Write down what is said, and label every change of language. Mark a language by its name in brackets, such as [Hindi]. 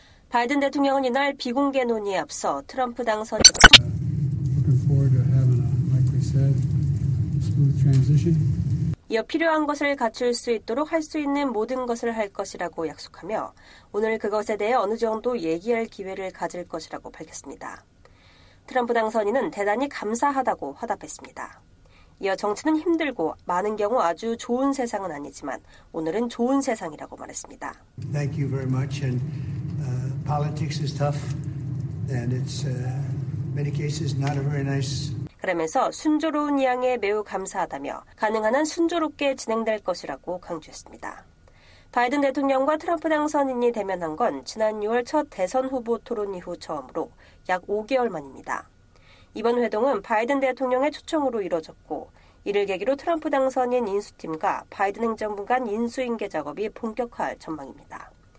[Korean] 바이든 대통령은 이날 비공개 논의에 앞서 트럼프 당선인 이어 필요한 것을 갖출 수 있도록 할 수 있는 모든 것을 할 것이라고 약속하며 오늘 그것에 대해 어느 정도 얘기할 기회를 가질 것이라고 밝혔습니다. 트럼프 당선인은 대단히 감사하다고 화답했습니다. 이어 정치는 힘들고 많은 경우 아주 좋은 세상은 아니지만 오늘은 좋은 세상이라고 말했습니다. [English] Thank you very much. And politics is tough and it's many cases not a very nice. [Korean] 그러면서 순조로운 이양에 매우 감사하다며 가능한 한 순조롭게 진행될 것이라고 강조했습니다. 바이든 대통령과 트럼프 당선인이 대면한 건 지난 6월 첫 대선 후보 토론 이후 처음으로 약 5개월 만입니다. 이번 회동은 바이든 대통령의 초청으로 이뤄졌고 이를 계기로 트럼프 당선인 인수팀과 바이든 행정부 간 인수인계 작업이 본격화할 전망입니다.